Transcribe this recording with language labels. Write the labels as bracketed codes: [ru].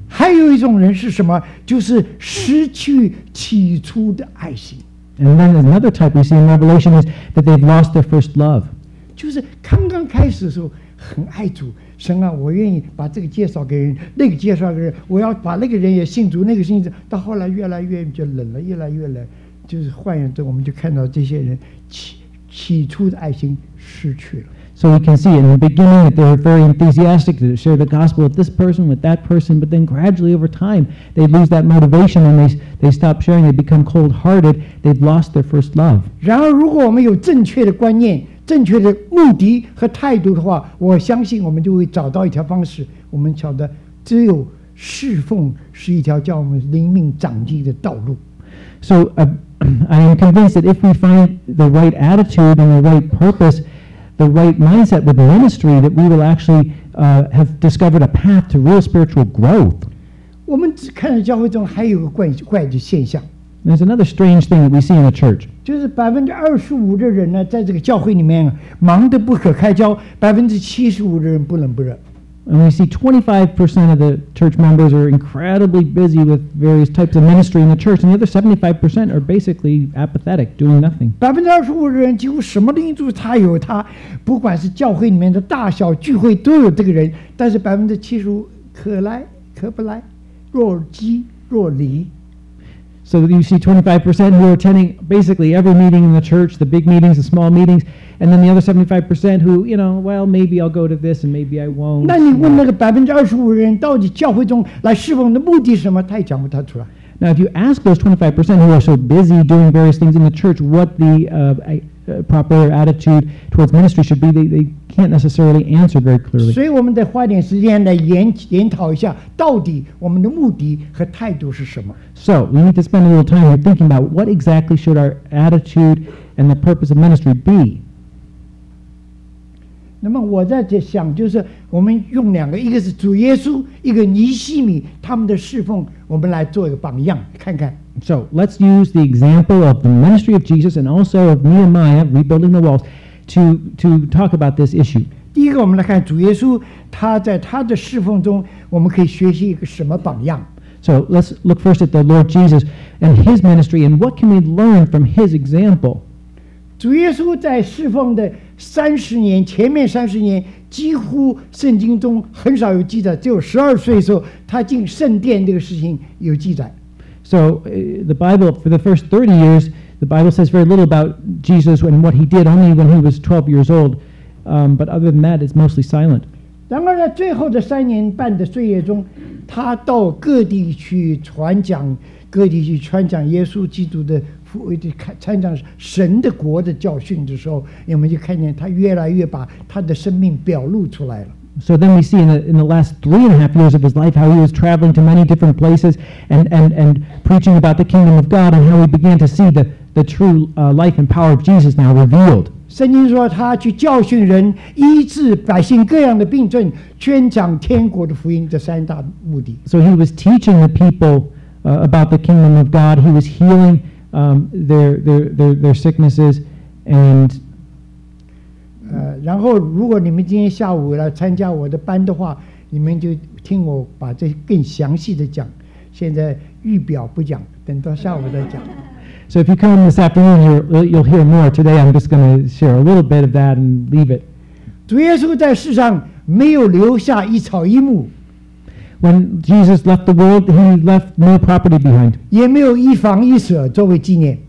[zh] 还有一种人是什么就是失去起初的爱心 [en] And then another type we see in Revelation is that they've lost their first love [zh] 就是刚刚开始的时候很爱主神啊我愿意把这个介绍给人那个介绍给人我要把那个人也信主那个信主到后来越来越就冷了越来越冷就是换言之我们就看到这些人 起初的爱心失去了 [en] So we can see in the beginning that they were very enthusiastic to share the gospel with this person with that person but then gradually over time they lose that motivation and they stop sharing they become cold hearted they've lost their first love [zh] 然而如果我们有正确的观念正确的目的和态度的话我相信我们就会找到一条方式我们晓得只有侍奉是一条叫我们灵命长进的道路 [en] So I am convinced that if we find the right attitude and the right purpose the right mindset with the ministry that we will actually have discovered a path to real spiritual growth [zh] 我们只看到教会中还有个 怪的现象 [en] There's another strange thing that we see in the church. [zh] 就是25%的人呢，在这个教会里面忙得不可开交，75%的人不冷不热。 [en] And we see 25% of the church members are incredibly busy with various types of ministry in the church, and the other 75% are basically apathetic, doing nothing. [zh] 25%的人几乎什么灵柱他有他，不管是教会里面的大小聚会都有这个人，但是75%可来可不来，若即若离。 [en] So you see 25% who are attending basically every meeting in the church, the big meetings, the small meetings, and then the other 75% who, you know, well, maybe I'll go to this and maybe I won't. [zh] 那你问那个25%的人到底教会中来侍奉的目的是什么，他也讲不出来。 [en] Now, if you ask those 25% who are so busy doing various things in the church what the proper attitude towards ministry should be, they can't necessarily answer very clearly. [zh] 所以我们得花点时间来研讨一下到底我们的目的和态度是什么。 [en] So, we need to spend a little time here thinking about what exactly should our attitude and the purpose of ministry be. [zh] 那么我在这想就是我们用两个一个是主耶稣一个尼西米他们的侍奉我们来做一个榜样看看 [en] So let's use the example of the ministry of Jesus and also of Nehemiah rebuilding the walls to talk about this issue [zh] 第一个我们来看主耶稣他在他的侍奉中我们可以学习一个什么榜样 [en] So let's look first at the Lord Jesus and his ministry and what can we learn from his example [zh] 主耶稣在侍奉的30年前面30年几乎圣经中很少有记载只有12岁的时候他进圣殿这个事情有记载 [en] So the Bible for the first 30 years the Bible says very little about Jesus and what he did only when he was 12 years old but other than that it's mostly silent [zh] 然而在最后的3年半的岁月中他到各地去传讲各地去传讲耶稣基督的参加神的国的教训的时候我们就看见他越来越把他的生命表露出来了 [en] So then we see in the last 3.5 years of his life how he was traveling to many different places and preaching about the kingdom of God and how he began to see the true life and power of Jesus now revealed [zh] 圣经说他去教训人医治百姓各样的病症宣讲天国的福音这三大目的 [en] So he was teaching the people about the kingdom of God he was healing their sicknesses and [zh] 然后如果你们今天下午来参加我的班的话你们就听我把这更详细的讲现在预表不讲等到下午再讲 [en] So if you come this afternoon you'll hear more today I'm just going to share a little bit of that and leave it [zh] 主耶稣在世上没有留下一草一木 [en] When Jesus left the world he left no property behind [zh] 也没有一房一舍作为纪念